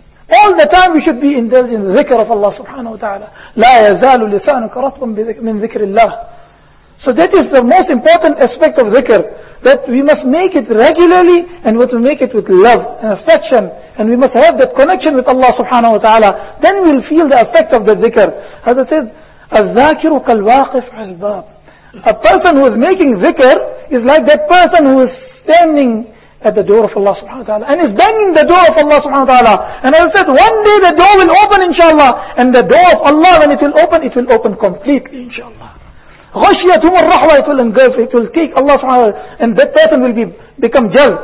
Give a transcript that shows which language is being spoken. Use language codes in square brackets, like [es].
[en] All the time we should be indulged in the zikr of Allah subhanahu wa ta'ala. [ar] لَا يَزَالُ لِسَانُكَ رَطْبًا مِنْ ذِكْرِ اللَّهِ. [en] So that is the most important aspect of zikr, that we must make it regularly and we must make it with love and affection, and we must have that connection with Allah subhanahu wa ta'ala. Then we will feel the effect of the zikr. As it says, [ar] الذاكر كالواقف على الباب. [en] A person who is making zikr is like that person who is standing at the door of Allah subhanahu wa ta'ala and is banging the door of Allah subhanahu wa ta'ala. And as it says, one day the door will open inshallah, and the door of Allah, when it will open completely inshallah. [ar] غشيتهم الرحوة, [en] it will engulf, it will take Allah subhanahu wa ta'ala, and that person will become jal.